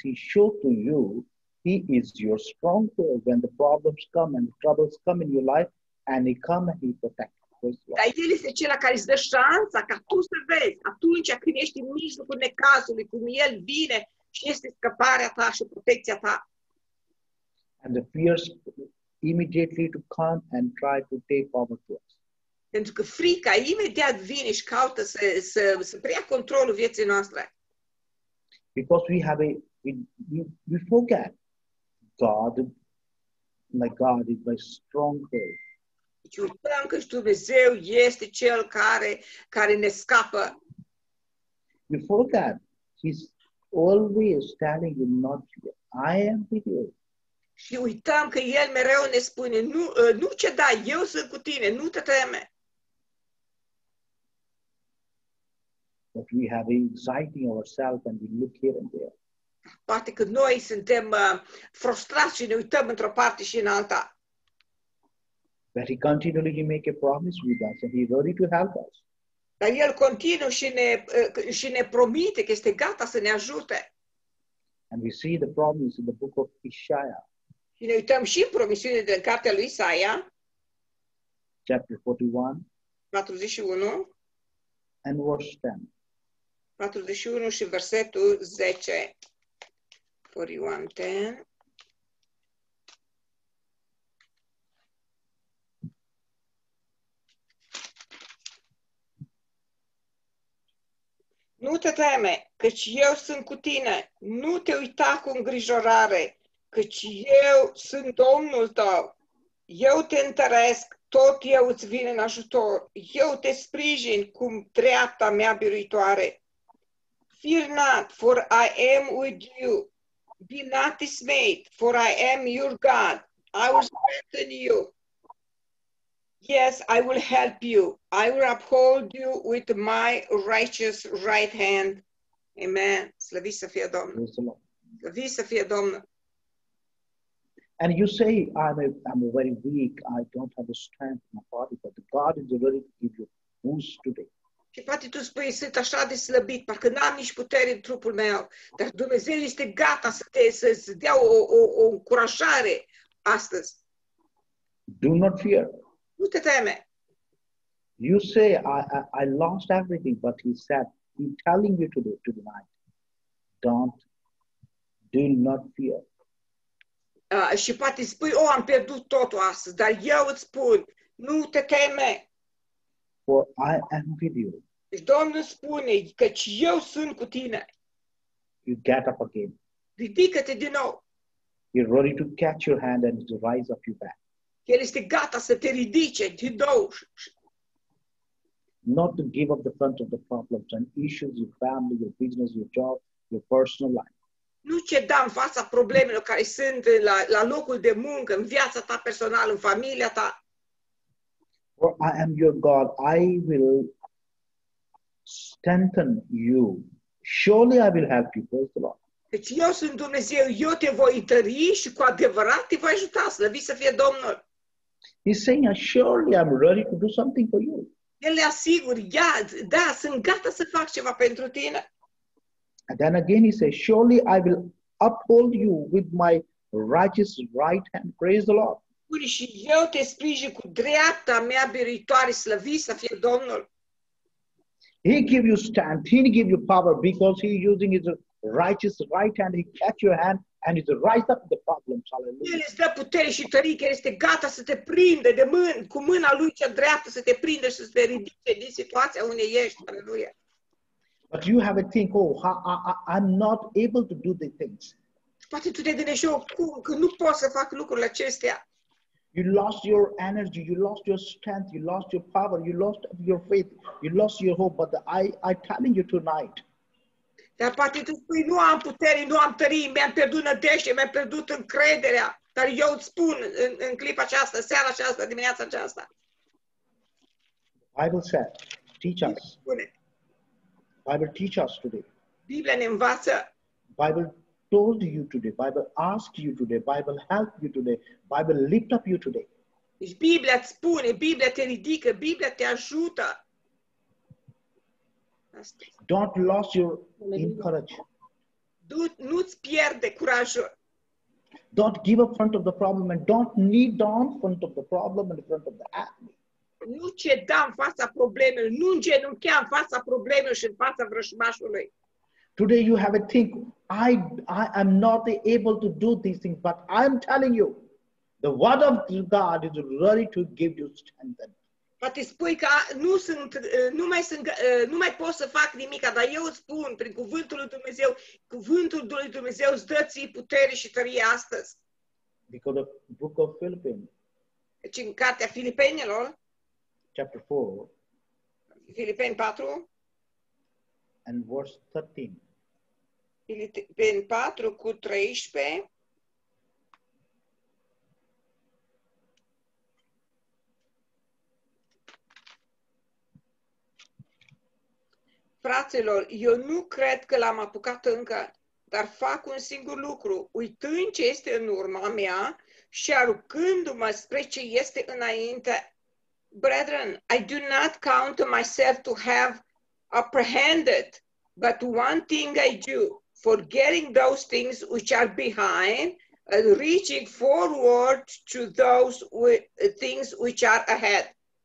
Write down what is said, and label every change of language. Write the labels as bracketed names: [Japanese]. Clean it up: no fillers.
[English] He show to you He is your stronghold when the problems come and the troubles come in your life and He come and He protect. [Romanian] Dar El este cel care îți dă șansa ca tu să vezi atunci când ești în mijlocul necazului cum El vine și este scăparea ta și protecția ta. [English] And the fears immediately to come and try to take over to us. [Romanian] Pentru că frica imediat vine și caută să preia controlul vieții noastre. [English] Because we have we forget God, like God is my stronghold. [Romanian] Deci uităm că Dumnezeu este cel care ne scapă. [English] We forget He's always telling you not to be. I am with you. [Romanian] Și uităm că El mereu ne spune, nu ceda, eu sunt cu tine, nu te teme. [English] But we have anxiety ourselves and we look here and there. [Romanian] Poate că noi suntem frustrați și ne uităm într-o parte și în alta. [English] But He continually He make a promise with us and He's ready to help us. [Romanian] Dar El continuă și ne promite că este gata să ne ajute. [English] And we see the promise in the book of Isaiah. [Romanian] Și ne uităm și în promisiune din cartea lui Isaia. [English] Chapter 41. 41. And verse 10. [Romanian] 41 și versetul 10. 41, 10. Nu te teme, căci eu sunt cu tine. Nu te uita cu îngrijorare. Căci eu sunt Domnul tău, eu te întăresc, tot eu îți vin în ajutor, eu te sprijin cu dreapta mea biruitoare. [English] Fear not, for I am with you. Be not dismayed, for I am your God. I will strengthen you. Yes, I will help you. I will uphold you with my righteous right hand. [Romanian] Amen. Slăviți să fie Domnul. Slăviți să fie Domnul. [English] And you say, I'm a very weak, I don't have the strength in my body, but God is ready to give you boost today. [Romanian] Și poate tu spui, sunt așa de slăbit, parcă n-am nici putere în trupul meu, dar Dumnezeu este gata să-ți dea o încurajare astăzi. [English] Do not fear. [Romanian] Nu te teme. [English] You say, I lost everything, but He said, He's telling you today, tonight, do not fear. [Romanian] Și poate spui, am pierdut totul astăzi, dar eu îți spun, nu te teme. [English] For I am with you. [Romanian] Și Domnul spune, căci eu sunt cu tine. [English] You get up again. [Romanian] Ridică-te din nou. [English] You're ready to catch your hand and to rise up your back. [Romanian] El este gata să te ridice din nou. [English] Not to give up the front of the problems and issues, your family, your business, your job, your personal life. [Romanian] Nu ceda în fața problemelor care sunt la locul de muncă, în viața ta personală, în familia ta. [English] For I am your God. I will strengthen you. Surely I will help you. Praise the Lord. [Romanian] Deci eu sunt Dumnezeu, eu te voi întări și cu adevărat te voi ajuta. Slăviți să fie Domnul. [English] He's saying, surely I'm ready to do something for you. [Romanian] El le asigur, da, sunt gata să fac ceva pentru tine. [English] And then again he says, surely I will uphold you with my righteous right hand. Praise the Lord. [Romanian] Și eu te sprijin cu dreapta mea biruitoare, slăviți să fie Domnul. [English] He give you strength, he give you power because he using his righteous right hand. He catch your hand and he's rise up the problem. Hallelujah. [Romanian] El îți dă putere și tărie, el este gata să te prindă de mână, cu mâna lui cea dreaptă să te prindă și să te ridice din situația unde ești. Hallelujah. [English] But you have a think, I'm not able to do the things. [Romanian] Poate tu te gândești, cum, că nu pot să fac lucrurile acestea. [English] You lost your energy, you lost your strength, you lost your power, you lost your faith, you lost your hope, but I'm telling you tonight. [Romanian] Dar poate tu spui, nu am putere, nu am tărie, mi-am pierdut nădejde, mi-am pierdut încrederea, dar eu îți spun în clipa aceasta, seara aceasta, dimineața aceasta. [English] The Bible said, teach us. Bible teach us today. [Romanian] Biblia ne învață. [English] Bible told you today. Bible asked you today. Bible helped you today. Bible lift up you today. [Romanian] Deci Biblia îți spune, Biblia te ridică, Biblia te ajută. [English] Don't lose your courage. [Romanian] Nu-ți pierde curajul. [English] Don't give up front of the problem and don't kneel down front of the problem and in front of the enemy. [Romanian] Nu ceda în fața problemelor, nu îngenunchea în fața problemelor și în fața vrăjmașului. [English] Today you have a think, I am not able to do these things, but I am telling you, the word of God is ready to give you strength. [Romanian] Poate spui că nu sunt, nu mai sunt, nu mai pot să fac nimic, dar eu îți spun prin cuvântul lui Dumnezeu, cuvântul lui Dumnezeu îți dă ție putere și tărie astăzi. [English] Because of the book of Philippians. [Romanian] Deci în cartea Filipenilor. [English] Chapter 4. [Romanian] Filipeni 4. [English] And verse 13. [Romanian] Filipeni 4 cu 13. Fraților, eu nu cred că l-am apucat încă, dar fac un singur lucru, uitând ce este în urma mea și aruncându-mă spre ce este înainte. [English] Brethren, I do not count myself to have apprehended, but one thing I do, forgetting those things which are behind and reaching forward to those things which are ahead.